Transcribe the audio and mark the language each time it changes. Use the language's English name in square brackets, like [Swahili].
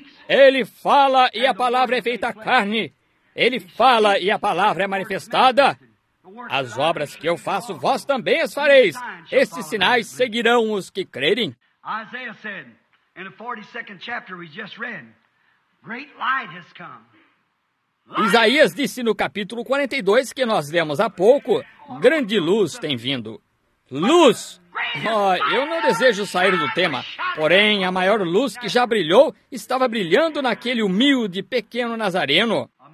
[Portuguese] Ele fala e a palavra é feita carne. Ele fala e a palavra é manifestada. As obras que eu faço, vós também as fareis. Esses sinais seguirão os que crerem. [English] Isaías said, in the 42nd chapter we just read, great light has come. [Portuguese] Isaías disse no capítulo 42 que nós lemos há pouco, grande luz tem vindo. Luz! Oh, eu não desejo sair do tema, porém a maior luz que já brilhou estava brilhando naquele humilde pequeno nazareno.